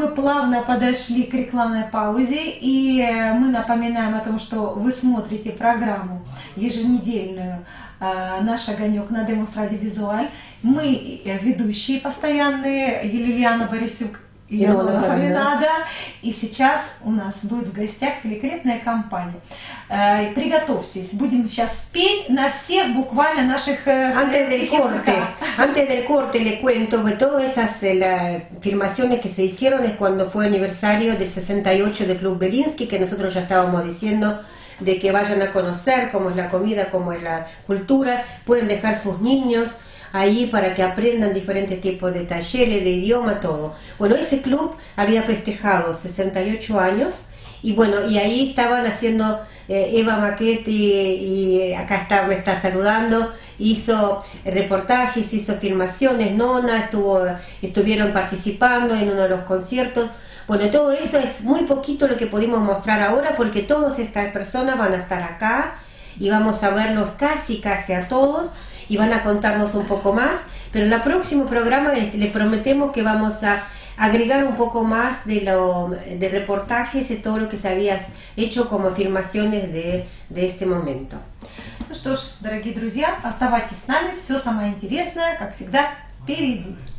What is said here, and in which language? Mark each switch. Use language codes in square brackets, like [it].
[ru] мы плавно подошли к рекламной паузе, и мы напоминаем о том, что вы смотрите программу еженедельную «Наш огонек» на Демос Радио Визуаль. Мы ведущие постоянные, Елена Борисюк и Илона Фоминада. И сейчас у нас будет в гостях великолепная компания. Приготовьтесь, будем сейчас петь на всех буквально наших языках. [es] Antes del corte le cuento que todas esas filmaciones que se hicieron es cuando fue aniversario del 68 del Club Белинский, que nosotros ya estábamos diciendo de que vayan a conocer cómo es la comida, cómo es la cultura, pueden dejar sus niños ahí para que aprendan diferentes tipos de talleres, de idioma, todo. Bueno, ese club había festejado 68 años y bueno, y ahí estaban haciendo Eva Maquetti y acá está, me está saludando, hizo reportajes, hizo filmaciones, Nona estuvieron participando en uno de los conciertos. Bueno, todo eso es muy poquito lo que pudimos mostrar ahora, porque todas estas personas van a estar acá y vamos a verlos casi a todos y van a contarnos un poco más. Pero en el próximo programa les prometemos que vamos a agregar un poco más de reportajes de todo lo que se había hecho como afirmaciones de este momento. [ru] Ну что ж, дорогие друзья, оставайтесь с нами, все самое интересное, как всегда, впереди.